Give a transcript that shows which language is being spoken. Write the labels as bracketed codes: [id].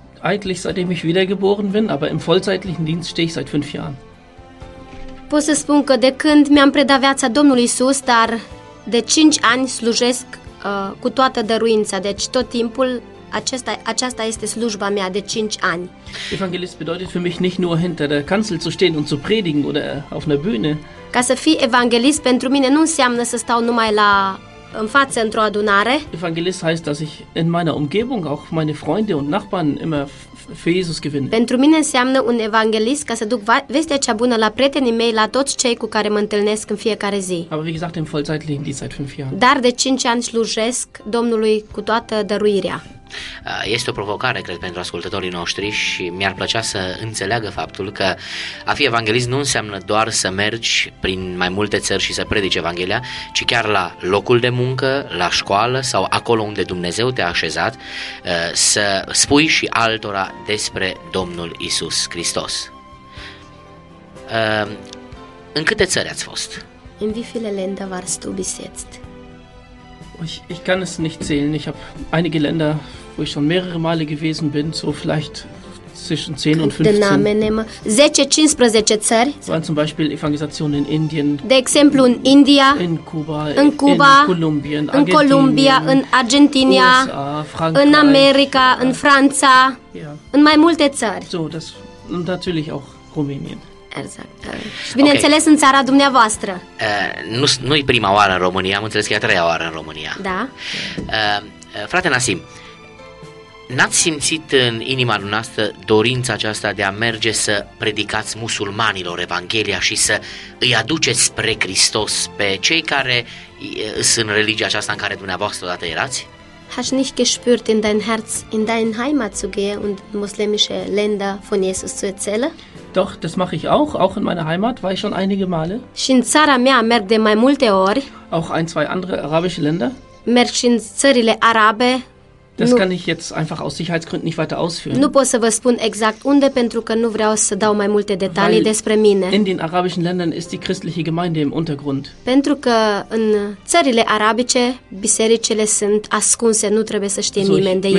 [de] Eigentlich seitdem ich wiedergeboren bin, aber im vollzeitlichen Dienst stehe ich seit 5 Jahren. [ro] Pot să spun că de când mi-am predat viața Domnului Iisus, dar de 5 ani slujesc cu toată dăruința, deci tot timpul aceasta este slujba mea de 5 ani. [de] Evangelist bedeutet für mich nicht nur hinter der Kanzel zu stehen und zu predigen oder auf einer Bühne. [ro] Ca să fii evanghelist pentru mine nu înseamnă să stau numai la în față într-o adunare. [de] Evangelist heißt, dass ich in meiner Umgebung auch meine Freunde und Nachbarn immer für Jesus gewinne. [ro] Pentru mine înseamnă un evanghelist ca să duc vestea cea bună la prietenii mei, la toți cei cu care mă întâlnesc în fiecare zi. [de] Aber wie gesagt, im vollzeitlichen Dienst seit 5 Jahren. [ro] Dar de 5 ani slujesc Domnului cu toată dăruirea. Este o provocare, cred, pentru ascultătorii noștri și mi-ar plăcea să înțeleagă faptul că a fi evanghelist nu înseamnă doar să mergi prin mai multe țări și să predici Evanghelia, ci chiar la locul de muncă, la școală sau acolo unde Dumnezeu te-a așezat, să spui și altora despre Domnul Iisus Hristos. În câte țări ați fost? [de] In wie viele Länder warst du bis jetzt? Ich kann es nicht zählen. Ich habe einige Länder, wo ich schon mehrere Male gewesen bin, so vielleicht zwischen 10 und 15. [ro] 10-15 țări. [de] Waren zum Beispiel Evangelisationen in Indien. [ro] De exemplu in India. [de] In Kuba. [ro] In Kuba. [de] In Kolumbien. Argentinien. [ro] In Columbia, in Argentinia. [de] USA, [ro] in America, in Franța. [de] Ja. [ro] In mai multe țări. [de] So, das und natürlich auch Rumänien. [ro] Exact. Bineînțeles, okay. În țara dumneavoastră. Nu e prima oară în România, am înțeles că e a treia oară în România. Da. Frate Nassim, N-ați simțit în inima dumneavoastră dorința aceasta de a merge să predicați musulmanilor Evanghelia și să îi aduceți spre Hristos pe cei care sunt în religia aceasta în care dumneavoastră odată erați? [de] Hast du nicht gespürt in dein Herz, in deine Heimat zu gehen und muslimische Länder von Jesus zu erzählen? Doch, das mache ich auch, auch in meiner Heimat war ich schon einige Male. [ro] Și în țara mea merg de mai multe ori. [de] Auch ein, zwei andere arabische Länder. [ro] Merg și în țările arabe. [de] Das kann ich jetzt einfach aus Sicherheitsgründen nicht weiter ausführen. [ro] Nu pot să vă spun exact unde, pentru că nu vreau să dau mai multe detalii [de] Weil [ro] despre mine. [de] In den arabischen Ländern ist die christliche Gemeinde im Untergrund. [ro] Pentru că în țările arabice bisericile sunt ascunse, nu trebuie să știe nimeni de ele.